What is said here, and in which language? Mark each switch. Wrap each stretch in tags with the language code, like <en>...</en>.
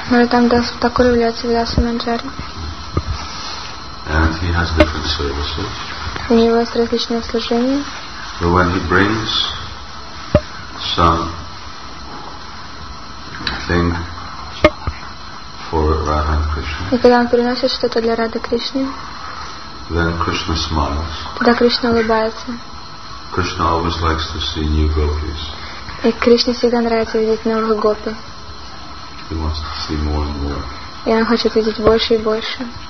<ru>Тамдас Такур является Виласа Манджари.</ru> <en>And he has different services.</en> <ru>У него есть различные служения.</ru> <en>But when he brings some thing for Radha and Krishna.</en> <ru>И когда он приносит что-то для Рады Кришны,</ru> <en>then Krishna smiles.</en> <ru>Тогда Кришна улыбается.</ru> <en>Krishna always likes to see new gopis.</en> <ru>И Кришне всегда нравится видеть новых гопи.</ru> <en>He wants to see more and more.</en> <ru>И он хочет видеть больше и больше.</ru>